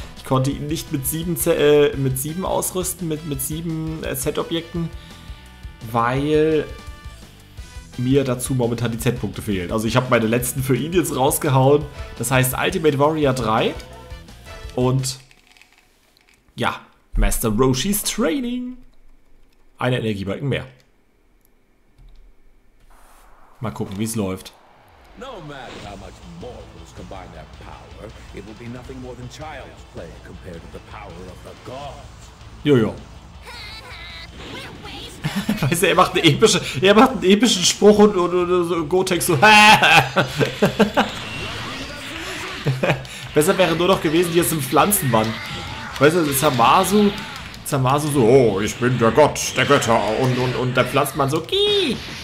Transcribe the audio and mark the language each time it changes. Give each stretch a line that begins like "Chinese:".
German: Ich konnte ihn nicht mit 7 ausrüsten, mit 7 Z-Objekten, weil mir dazu momentan die Z-Punkte fehlen. Also ich habe meine letzten für ihn jetzt rausgehauen. Das heißt Ultimate Warrior 3 und ja, Master Roshis Training. Einen Energiebalken mehr. Mal gucken, wie es läuft.
English: No matter how much mortals combine their power, it will be nothing more than child's play compared to the power of the gods.
German: Jojo. Weißt du, er macht eine epische, er macht einen epischen Spruch und so Gotenks so. Besser wäre nur noch gewesen, hier ist ein Pflanzenmann. Weißt du, Zamasu so, oh, ich bin der Gott der Götter und der Pflanzenmann so, Kii.